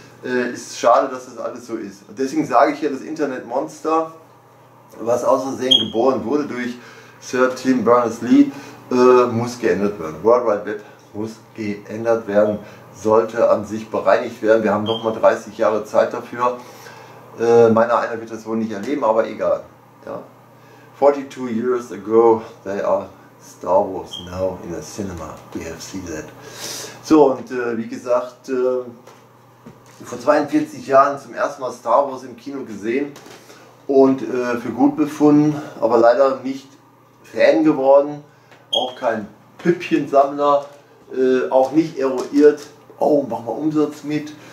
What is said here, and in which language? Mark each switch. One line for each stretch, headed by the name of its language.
German: Ist schade, dass das alles so ist. Deswegen sage ich hier das Internetmonster, was aus Versehen geboren wurde durch Sir Tim Berners-Lee, muss geändert werden. World Wide Web muss geändert werden, sollte an sich bereinigt werden. Wir haben nochmal 30 Jahre Zeit dafür. Meiner einer wird das wohl nicht erleben, aber egal. Ja.
English: 42 years ago, they are Star Wars now in a cinema. We have seen that.
German: So, und wie gesagt, vor 42 Jahren zum ersten Mal Star Wars im Kino gesehen und für gut befunden, aber leider nicht Fan geworden, auch kein Püppchensammler, auch nicht eruiert, oh, machen wir Umsatz mit.